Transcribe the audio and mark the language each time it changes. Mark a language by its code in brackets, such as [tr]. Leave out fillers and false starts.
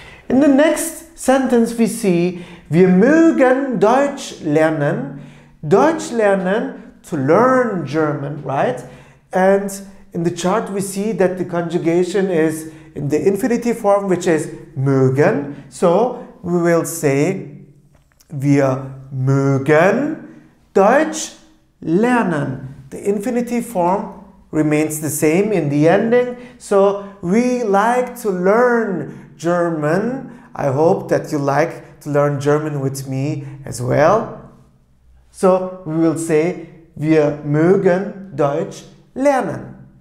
[en] In the next sentence we see, [de] wir mögen Deutsch lernen. Deutsch lernen, [en] to learn German, right? And in the chart we see that the conjugation is in the infinitive form, which is mögen. So we will say, [de] wir mögen Deutsch lernen. [en] The infinitive form remains the same in the ending. So we like to learn German. I hope that you like to learn German with me as well. So we will say, [de] wir mögen Deutsch lernen.